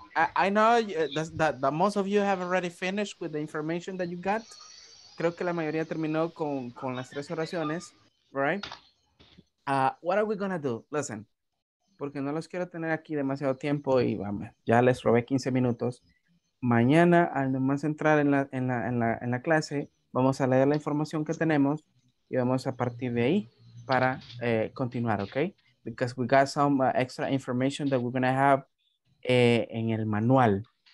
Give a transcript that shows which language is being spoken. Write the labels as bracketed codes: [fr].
[en] I know that most of you have already finished with the information that you got. [es] Creo que la mayoría terminó con las tres oraciones. [en] Right? What are we going to do? Listen. [es] Porque no los quiero tener aquí demasiado tiempo y vamos, ya les robé 15 minutos. Mañana, al nomás entrar en la clase, vamos a leer la información que tenemos y vamos a partir de ahí para continuar, ¿ok? [en] Because we got some extra information that we're going to have [es] en el manual.